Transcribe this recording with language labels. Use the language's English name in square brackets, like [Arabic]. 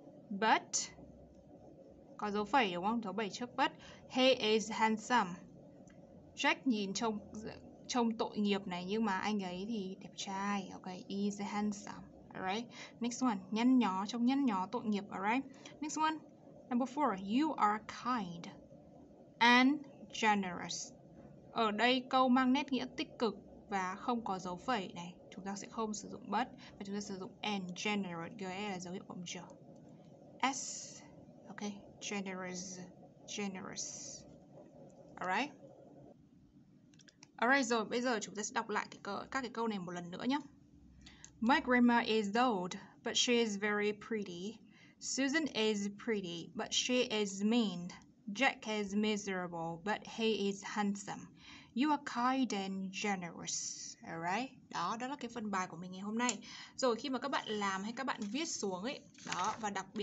[Vietnamese] But có dấu phẩy đúng không? Dấu phẩy trước but. [English] He is handsome. [Vietnamese] Jack nhìn trông trông tội nghiệp này nhưng mà anh ấy thì đẹp trai. [English] Okay, is handsome. Alright. Next one, [Vietnamese] nhăn nhó, trông nhăn nhó tội nghiệp. [English] Alright. Next one. Number 4, you are kind and generous. [Vietnamese] Ở đây câu mang nét nghĩa tích cực và không có dấu phẩy này, chúng ta sẽ không sử dụng but và chúng ta sử dụng and generous. GE là dấu hiệu cộng trừ. S. Okay, generous. Generous. Alright. Alright rồi, bây giờ chúng ta sẽ đọc lại các cái câu này một lần nữa nhé. [English] My grandma is old, but she is very pretty. Susan is pretty, but she is mean. Jack is miserable, but he is handsome. You are kind and generous. Alright? [Vietnamese] Đó, đó là cái phần bài của mình ngày hôm nay. Rồi khi mà các bạn làm hay các bạn viết xuống ấy, đó, và đặc biệt